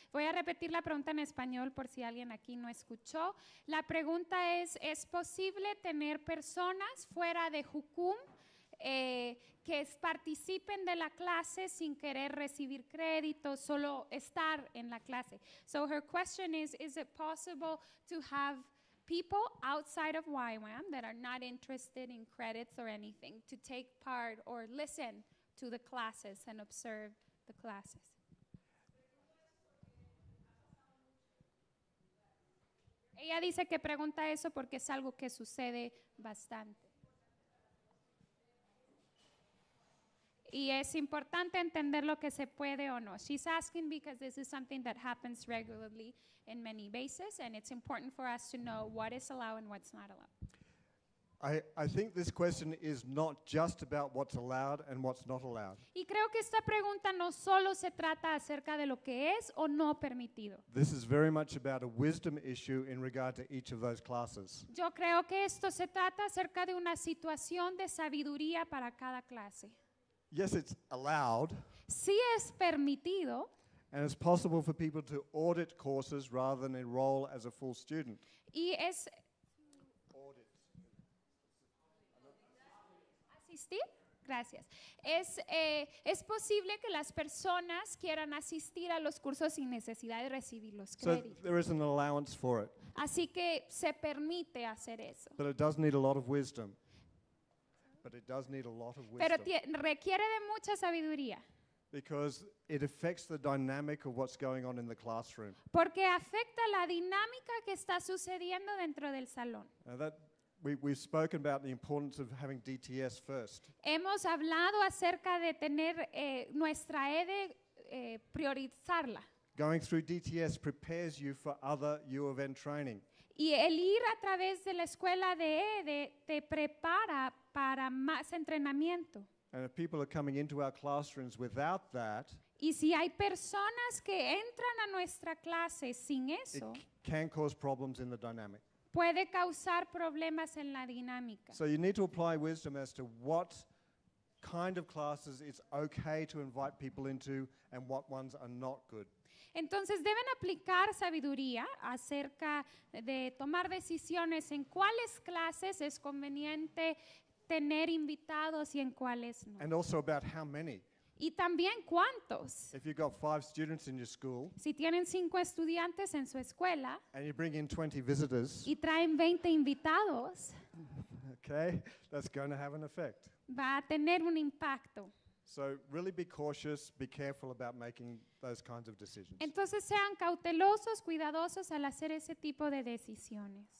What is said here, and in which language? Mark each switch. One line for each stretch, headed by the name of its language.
Spanish: Voy a repetir la pregunta en español por si alguien aquí no escuchó. La pregunta es: ¿es posible tener personas fuera de Jucum que participen de la clase sin querer recibir crédito, solo estar en la clase?
English: So her question is it possible to have people outside of YWAM that are not interested in credits or anything to take part or listen to the classes and observe the classes.
Spanish: Ella dice que pregunta eso porque es algo que sucede bastante. y es importante entender lo que se puede o no.
English: She's asking because this is something that happens regularly in many bases, and it's important for us to know what is allowed and what's not allowed. I think this question is not just about what's allowed and what's not allowed.
Spanish: Y creo que esta pregunta no solo se trata acerca de lo que es o no permitido.
English: This is very much about a wisdom issue in regard to each of those classes.
Spanish: Yo creo que esto se trata acerca de una situación de sabiduría para cada clase.
English: Yes, it's allowed.
Spanish: Sí es permitido.
English: And it's possible for people to audit courses rather than enroll as a full student.
Spanish: Y es gracias. Es posible que las personas quieran asistir a los cursos sin necesidad de recibir los créditos.
English: So there is an allowance for it.
Spanish: Así que se permite hacer eso.
English: But it does need a lot of wisdom. But it does need a lot of wisdom.
Spanish: Pero requiere de mucha sabiduría.
English: Because it affects the dynamic of what's going on in the classroom.
Spanish: Porque afecta la dinámica que está sucediendo dentro del salón.
English: We've spoken about the importance of having DTS first.
Spanish: Hemos hablado acerca de tener nuestra EDE priorizarla.
English: Going through DTS prepares you for other U of N training.
Spanish: Y el ir a través de la escuela de EDE te prepara para más entrenamiento.
English: And if people are coming into our classrooms without that,
Spanish: y si hay personas que entran a nuestra clase sin eso,
English: it can cause problems in the dynamic.
Spanish: Puede causar problemas en la dinámica.
English: So you need to apply wisdom as to what kind of classes it's okay to invite people into and what ones are not good.
Spanish: Entonces deben aplicar sabiduría acerca de tomar decisiones en cuáles clases es conveniente tener invitados y en cuáles no.
English: And also about how many.
Spanish: Y también cuántos.
English: If you've got five students in your school,
Spanish: si tienen cinco estudiantes en su escuela,
English: and you bring in 20 visitors,
Spanish: y traen 20 invitados,
English: okay, that's going to have an effect.
Spanish: Va a tener un impacto.
English: So really be cautious, be careful about making those kinds of decisions.
Spanish: Entonces sean cautelosos, cuidadosos al hacer ese tipo de decisiones.